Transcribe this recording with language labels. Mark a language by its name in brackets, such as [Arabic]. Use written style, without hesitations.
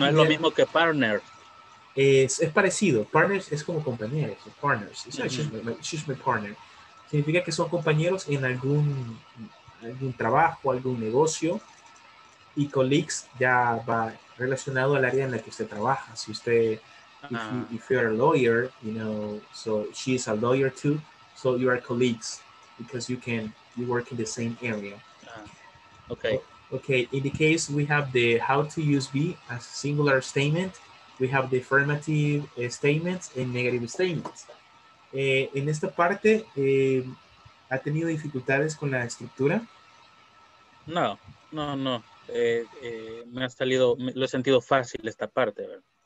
[Spanish] No es lo mismo que partner. Es parecido. Partners es como compañeros. Partners. [English] She's my partner. [Spanish] Significa que son compañeros en algún trabajo, algún negocio. Y colleagues ya va relacionado al área en la que usted trabaja. Si usted, [English] if you're a lawyer, you know, so she is a lawyer too. So you are colleagues because you work in the same area. Okay. Okay. In the case, we have the how to use be as singular statement. We have the affirmative statements and negative statements. [Spanish] En esta parte, ¿ha tenido dificultades con la estructura? No. Me ha salido, lo he sentido fácil esta parte, ¿verdad?